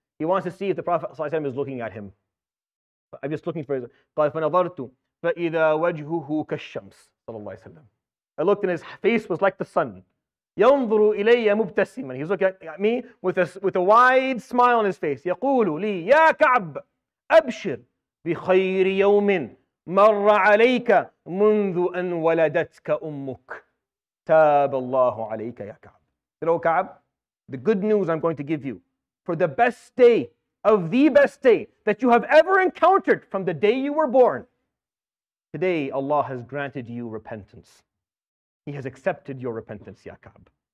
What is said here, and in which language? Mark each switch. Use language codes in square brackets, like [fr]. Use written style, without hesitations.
[en] He wants to see if the Prophet alayhi salam is looking at him. I'm just looking for his... [ar] قَالَ فَنَظَرْتُ فَإِذَا وَجْهُهُ كَالشَّمْسِ صَلَى اللَّهِ وَسَلَّمُ. [en] I looked and his face was like the sun. [ar] ينظر إلي مبتسما. [en] He's looking at me with a wide smile on his face. [ar] يقول لي يا كعب أبشر بخير يوم مر عليك منذ أن ولدتك أمك. تاب الله عليك يا كعب. [en] Hello كعب, the good news I'm going to give you for the best day of the best day that you have ever encountered from the day you were born. Today Allah has granted you repentance. He has accepted your repentance, ya Ka'b.